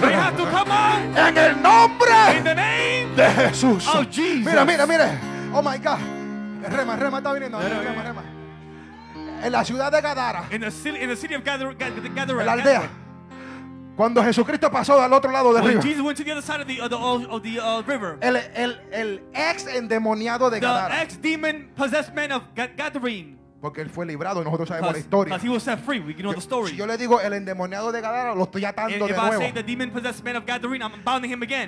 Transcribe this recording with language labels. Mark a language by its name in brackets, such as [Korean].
[English] They have to come out. [Spanish] En el nombre. [English] In the name. [Spanish] De Jesús. [English] Of Jesus. [Spanish] Mira, mira, mira. [English] Oh my God. [Spanish] Rema está viniendo. Rema. En la ciudad de Gadara. [English] In the city of Gadara. [Spanish] En la aldea. Cuando Jesucristo pasó al otro lado del río. [English] When Jesus went to the other side of the river. [Spanish] El ex endemoniado de Gadara. [English] The ex demon possessed man of Gadarene. [Spanish] Porque él fue librado, nosotros sabemos la historia. [English] Because he was set free, we know the story. [Spanish] Si yo le digo el endemoniado de Gadara, lo estoy atando de nuevo. [English] If I say the demon-possessed man of Gadarene, I'm bounding him again.